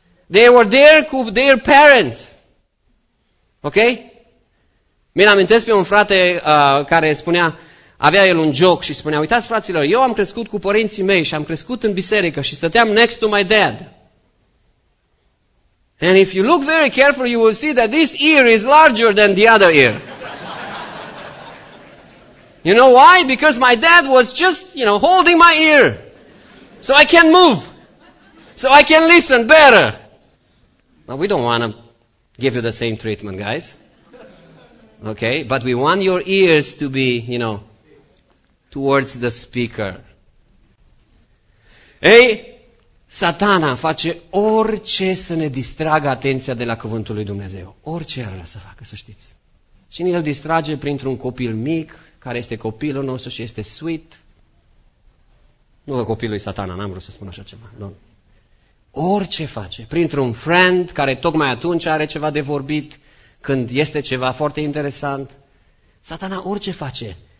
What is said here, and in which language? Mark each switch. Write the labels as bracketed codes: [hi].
[en] They were there with their parents. Ok? [ro] Mi-l amintesc pe un frate care spunea, avea el un joc și spunea, uitați fraților, eu am crescut cu părinții mei și am crescut în biserică și stăteam [en] next to my dad. And if you look very careful, you will see that this ear is larger than the other ear. You know why? Because my dad was just, you know, holding my ear. So I can move. So I can listen better. Now we don't want to give you the same treatment, guys. Okay? But we want your ears to be, you know, towards the speaker. Hey, [ro] Satana face orice să ne distragă atenția de la cuvântul lui Dumnezeu. Orice ar vrea să facă, să știți. Și ne-l distrage printr-un copil mic, care este copilul nostru și este sweet. Nu că copilul lui Satana, n-am vrut să spun așa ceva. Nu. Orice face, printr-un friend care tocmai atunci are ceva de vorbit, când este ceva foarte interesant, Satana orice face.